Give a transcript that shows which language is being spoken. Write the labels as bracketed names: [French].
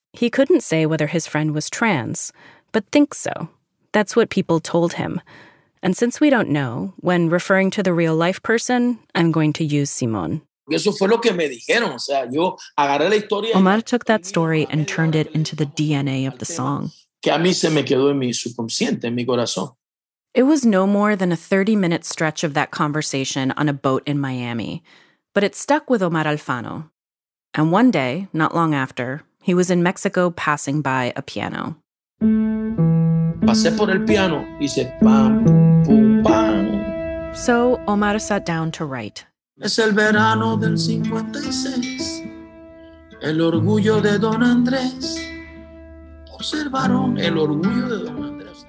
[English] He couldn't say whether his friend was trans, but thinks so. That's what people told him. And since we don't know, when referring to the real life person, I'm going to use Simón. [Spanish] Eso fue lo que me dijeron. O sea, yo agarré la historia. [English] Omar took that story and turned it into the DNA of the song. [Spanish] Que a mí se me quedó en mi subconsciente, en mi corazón. [English] It was no more than a 30-minute stretch of that conversation on a boat in Miami. But it stuck with Omar Alfano. And one day, not long after, he was in Mexico passing by a piano. [Spanish] Pasé por el piano y hice pam, pum, pam. [English] So Omar sat down to write. [Spanish] Es el verano del 56, el orgullo de Don Andrés. Por ser varón, el orgullo de Don Andrés.